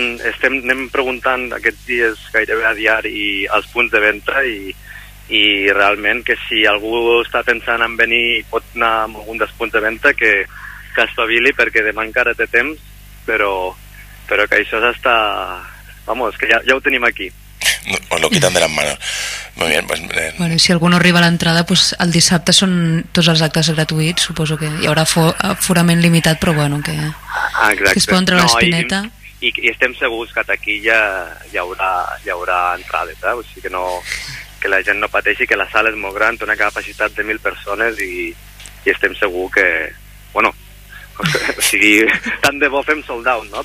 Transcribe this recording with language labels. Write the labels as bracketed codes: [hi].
[ca] estem anem preguntant aquests dies gairebé a diari els punts de venda, i realment que si algú està pensant en venir i pot anar a algun dels punts de venda, que espavili, perquè demà encara té temps, però que això s'està... [es] Vamos, [ca] que ja ho tenim aquí. [es] No, lo quitan de las manos. Muy bien, pues, [ca] Bueno, si algú no arriba a l'entrada, pues el dissabte són tots els actes gratuïts, suposo que hi haurà aforament limitat, però bueno, que... Exacte. Que es poden treure l'espineta. I estem segurs que aquí ja hi haurà entrades, o sigui que no... que la gent no pateixi, que la sala és molt gran, té una capacitat de 1.000 persones, i estem segur que, bueno, o sigui, tant de bo fem [en] sold out, [ca] no?